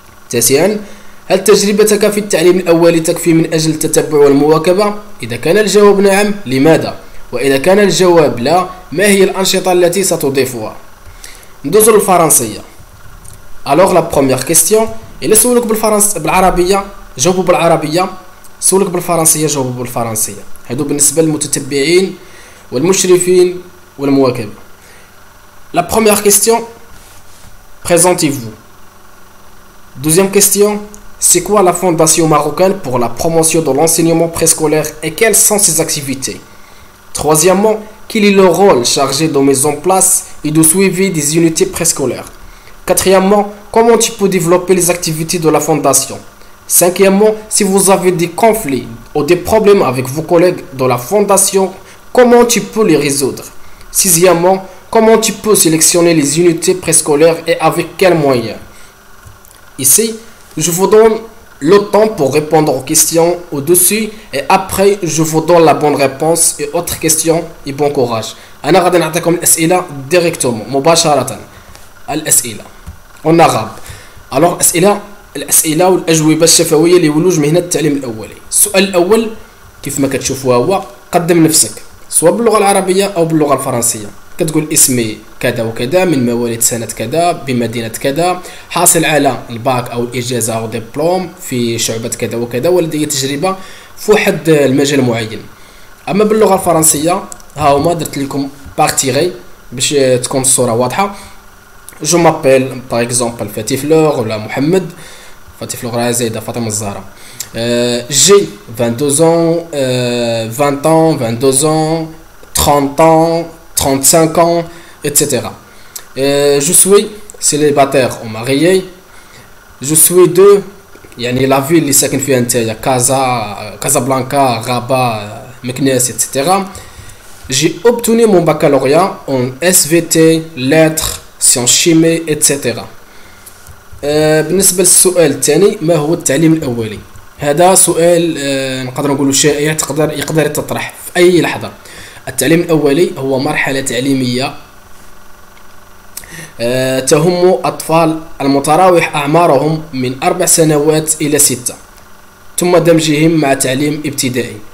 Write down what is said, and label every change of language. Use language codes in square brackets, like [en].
[ar] تاسعا، هل تجربتك في التعليم الأولي تكفي من أجل التتبع والمواكبة؟ إذا كان الجواب نعم، لماذا؟ وإذا كان الجواب لا، ما هي الأنشطة التي ستضيفها؟ ندوز للفرنسية. [fr] Alors la première question، [ar] إلا سولك بالعربية جاوبوا بالعربية، سولك بالفرنسية جاوبوا بالفرنسية. هادو بالنسبة للمتتبعين والمشرفين والمواكب. [fr] La première question، présentez-vous. Deuxième question، c'est quoi la fondation marocaine pour la promotion de l'enseignement préscolaire et quelles sont ses activités؟ Troisièmement، quel est le rôle chargé de mise en place et de suivi des unités préscolaires؟ Quatrièmement، comment tu peux développer les activités de la fondation؟ Cinquièmement، si vous avez des conflits ou des problèmes avec vos collègues de la fondation، comment tu peux les résoudre؟ Sixièmement، comment tu peux sélectionner les unités préscolaires et avec quels moyens؟ Ici، je vous donne le temps pour répondre aux questions au-dessus et après je vous donne la bonne réponse et autres questions et bon courage. [ar] انا غادي نعطيكم الاسئله directement مباشره. الأسئلة والنغاب. alors الأسئلة والأجوبة الشفوية اللي يولوج مهنة التعليم الأولي. السؤال الأول كيف ما كتشوفوا هو قدم نفسك سواء باللغة العربية أو باللغة الفرنسية. كتقول اسمي كذا وكذا، من مواليد سنة كذا، بمدينة كذا، حاصل على الباك أو الإجازة أو ديبلوم في شعبة كذا وكذا، ولدي تجربة في واحد المجال معين. أما باللغة الفرنسية ها هما درت لكم بارتيغي باش تكون الصورة واضحة. [fr] Je m'appelle par exemple Fatih Fleur ou la Mohamed Fatih Fleur Azaïda Fatima Zahra. J'ai 22 ans, 20 ans, 22 ans, 30 ans, 35 ans, etc. Je suis célibataire ou marié. Je suis de yani la ville qui s'occupe de l'intérieur, Casablanca, Rabat, Meknès, etc. J'ai obtenu mon baccalauréat en SVT, lettres, sciences chimie, etc. [ar] بالنسبة للسؤال الثاني، ما هو التعليم الأولي؟ هذا سؤال نقدر نقوله شائع، يقدر تطرح في أي لحظة. التعليم الأولي هو مرحلة تعليمية تهم أطفال المتراوح أعمارهم من 4 سنوات إلى 6، ثم دمجهم مع تعليم ابتدائي.